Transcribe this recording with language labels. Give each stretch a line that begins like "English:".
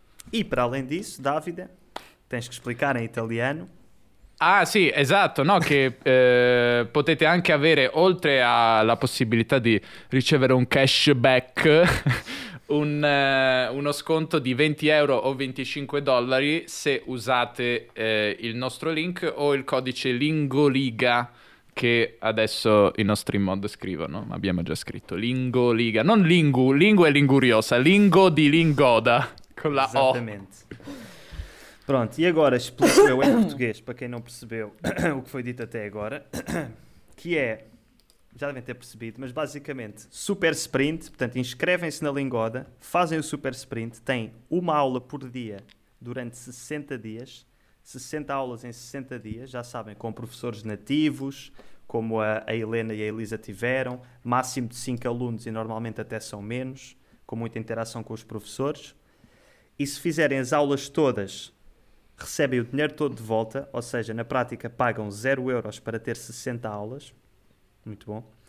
Portuguese: E per além disso, Davide, tens que explicar em italiano.
Italian: Ah, sì, esatto, no, che potete anche avere, oltre alla possibilità di ricevere un cashback, uno sconto di 20 euro o 25 dollari se usate il nostro link o il codice Lingoliga, che adesso i nostri mod scrivono, ma abbiamo già scritto, Lingoliga, non Lingu, Lingua è Linguriosa, Lingo di Lingoda, con la O. Esattamente.
Portuguese: Pronto, e agora explico em português, para quem não percebeu o que foi dito até agora, que é, já devem ter percebido, mas basicamente, super sprint, portanto, inscrevem-se na Lingoda, fazem o super sprint, têm uma aula por dia durante 60 dias, 60 aulas em 60 dias, já sabem, com professores nativos, como a Helena e a Elisa tiveram, máximo de 5 alunos e normalmente até são menos, com muita interação com os professores, e se fizerem as aulas todas, recebem o dinheiro todo de volta, ou seja, na prática pagam 0 euros para ter 60 aulas. Muito bom.